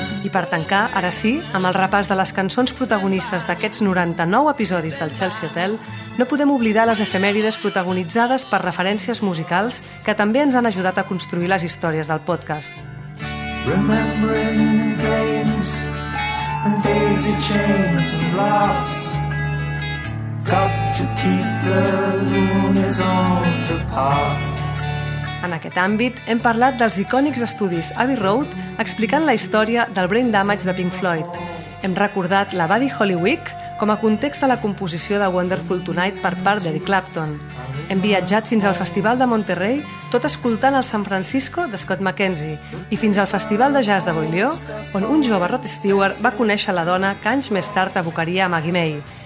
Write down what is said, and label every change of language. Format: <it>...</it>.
<ca>I per tancar, ara sí, amb el repàs de les cançons protagonistes d'aquests 99 episodis del Chelsea Hotel, no podem oblidar les efemèrides protagonitzades per referències musicals que també ens han ajudat a construir les històries del podcast.</ca> <en>Remembering games and daisy chains and bluffs. Got to keep the loonies on the path.</en> <ca>En aquest àmbit, hem parlat dels icònics estudis Abbey Road explicant la història del Brain Damage de Pink Floyd. Hem recordat la Buddy Holly Week com a context de la composició de Wonderful Tonight per part d'Eric Clapton. Hem viatjat fins al Festival de Monterrey tot escoltant el San Francisco de Scott McKenzie i fins al Festival de Jazz de Beaulieu, on un jove Rod Stewart va conèixer la dona que anys més tard abocaria a Maggie May.</ca>